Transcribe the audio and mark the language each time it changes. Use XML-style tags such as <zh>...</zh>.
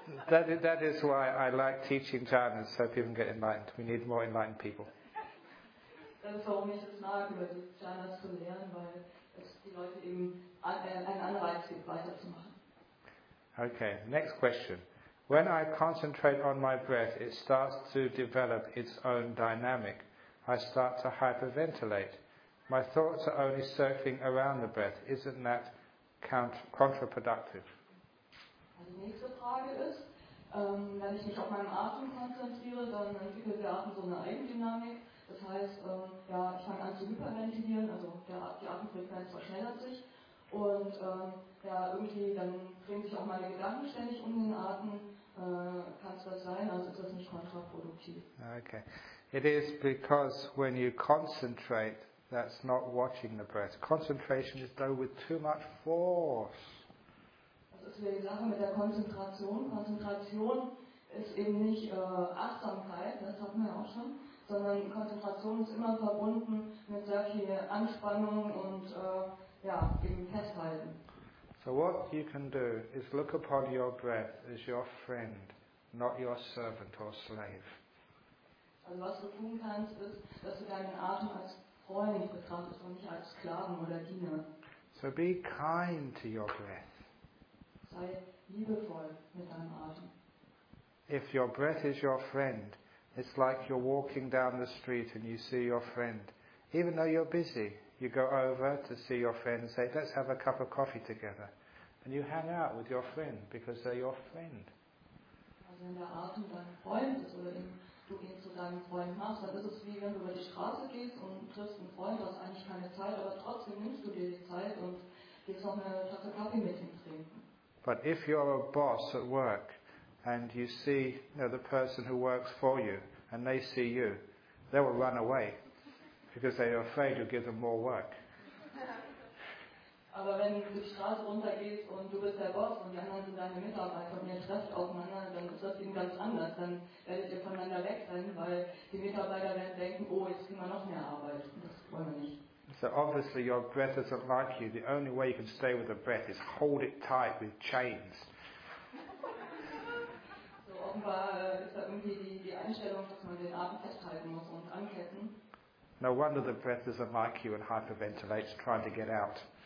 <en>That is why I like teaching jhanas, so people can get enlightened. We need more enlightened people.</en> <de>Das ist, warum ich es mag, über die jhanas zu lernen, weil es die Leute eben einen Anreiz gibt, weiterzumachen.</de> <en>Okay, next question. When I concentrate on my breath, it starts to develop its own dynamic. I start to hyperventilate. My thoughts are only circling around the breath. Isn't that counterproductive?</en> <de>Also die nächste Frage ist, wenn ich mich auf meinen Atem konzentriere, dann entwickelt der Atem so eine Eigendynamik. Das heißt, ja, ich fange an zu hyperventilieren, also die Atemfrequenz verschnellert sich. Und irgendwie dann drehen sich auch meine Gedanken ständig um den Atem. Kann es das sein? Also ist das nicht kontraproduktiv? Okay.</de> <en>It is because when you concentrate, that's not watching the breath. Concentration is done with too much force.</en> <de>Das ist die Sache mit der Konzentration. Konzentration ist eben nicht Achtsamkeit, das hatten wir auch schon, sondern Konzentration ist immer verbunden mit sehr viel Anspannung und eben Festhalten.</de> <en>So what you can do is look upon your breath as your friend, not your servant or slave.</en> <de>Also was du tun kannst, ist, dass du deinen Atem als Freund betrachtest und nicht als Sklaven oder Diener.</de> <en>So be kind to your breath.</en> <de>Sei liebevoll mit deinem Atem.</de> <en>If your breath is your friend, it's like you're walking down the street and you see your friend. Even though you're busy, you go over to see your friend and say, let's have a cup of coffee together. And you hang out with your friend because they're your friend.</en> <de>Also wenn der Atem dein Freund ist oder du ihn zu deinem Freund machst, dann ist es wie wenn du über die Straße gehst und triffst einen Freund, du hast eigentlich keine Zeit, aber trotzdem nimmst du dir die Zeit und gehst noch eine Tasse Kaffee mit ihm trinken.</de> <en>But if you're a boss at work and you see the person who works for you and they see you, they will run away because they are afraid you'll give them more work.</en> <de>Aber wenn du die Straße runtergehst und du bist der Boss und die anderen sind deine Mitarbeiter und ihr trefft aufeinander, dann ist das eben ganz anders. Dann werdet ihr voneinander wegrennen, weil die Mitarbeiter werden denken, oh, jetzt kriegen wir noch mehr Arbeit. Das wollen wir nicht.</de> <en>So obviously your breath doesn't like you. The only way you can stay with the breath is hold it tight with chains.</en> <de>So offenbar ist da irgendwie die Einstellung, dass man den Atem festhalten muss und anketten.</de> <en>No wonder the breath doesn't like you and hyperventilates trying to get out.</en>